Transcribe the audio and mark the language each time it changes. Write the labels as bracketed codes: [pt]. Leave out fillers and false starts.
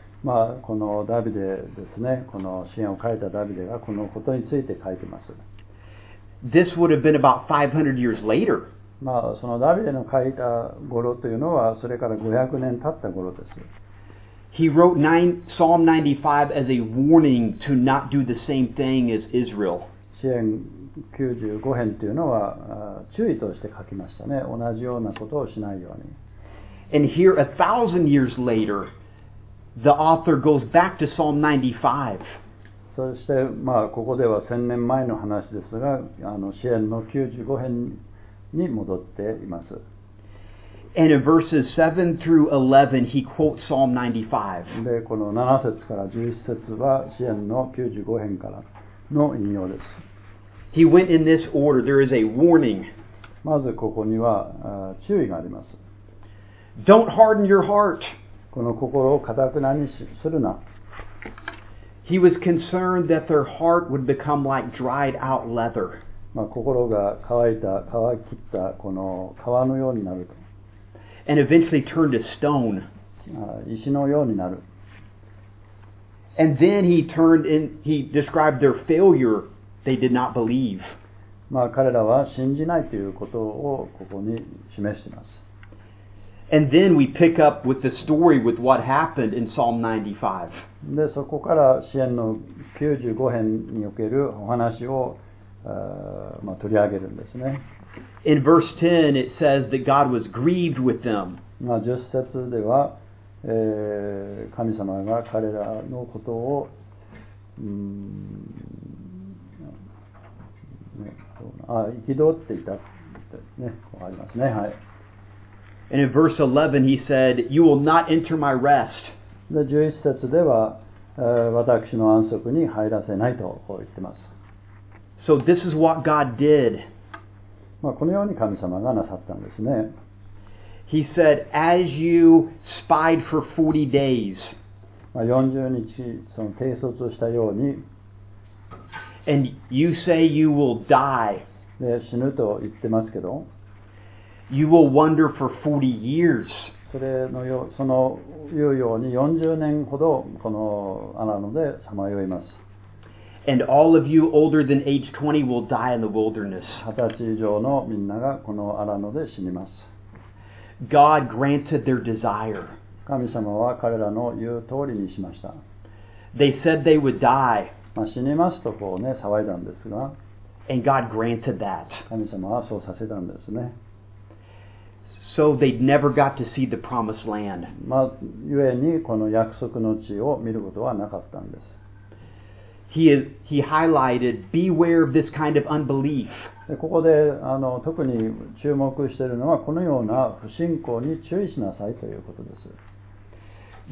[ja] まあこのダビデですね、この詩編を書いたダビデがこのことについて書いてます。 [en] This would have been about 500 years later. [ja] まあ、そのダビデの書いた頃というのはそれから500年経った頃です。 [en] He wrote Psalm 95 as a warning to not do the same thing as Israel. [ja] 詩編95編というのは注意として書きましたね。同じようなことをしないように。 [en] And here, 1,000 years later, the author goes back to Psalm 95. [ja] そして、まあ、ここでは1000年前の話ですが、詩編の95編に戻っています。 [en] And in verses 7 through 11, he quotes Psalm 95. [ja] で、この7節から11節は詩編の95編からの引用です。 [en] He went in this order. There is a warning. [ja] まずここには注意があります。 [en] Don't harden your heart. [ja] この心を固くなにするな。 [en] He was concerned that their heart would become like dried out leather. [ja] まあ、心が乾いた、乾きったこの皮のようになると。 [en] And eventually turned to stone. [ja] 石のようになる。 [en] And then he described their failure. They did not believe. [ja] まあ、彼らは信じないということをここに示しています。 [en] And then we pick up with the story with what happened in Psalm 95. [ja] で、そこから詩編の95編におけるお話を、まあ、取り上げるんですね。 [en] In verse 10, it says that God was grieved with them. [ja] まあ、10節では、神様が彼らのことを、憤っていたってね、ありますね。はい。 [en] And in verse 11 he said, You will not enter my rest. [ja] で、11節では、私の安息に入らせないとこう言ってます。 [en] So this is what God did. [ja] まあ、このように神様がなさったんですね。 [en] He said, as you spied for 40 days. [ja] まあ、40日、その偵察をしたように。 [en] And you say you will die. [ja] で、死ぬと言ってますけど。 [en] You will wander for 40 years. [ja] それのよ、その言うように40年ほどこの穴のでさまよいます。 [en] And all of you older than age 20 will die in the wilderness. [ja] 20歳以上のみんながこの穴ので死にます。 [en] God granted their desire. [ja] 神様は彼らの言う通りにしました。 [en] They said they would die. [ja] まあ死にますとこうね騒いだんですが。 [en] And God granted that. [ja] 神様はそうさせたんですね。 [en] So they never got to see the promised land. [ja] まあ、故にこの約束の地を見ることはなかったんです。 [en] He highlighted, beware of this kind of unbelief. [ja] で、ここで、特に注目しているのはこのような不信仰に注意しなさいということです。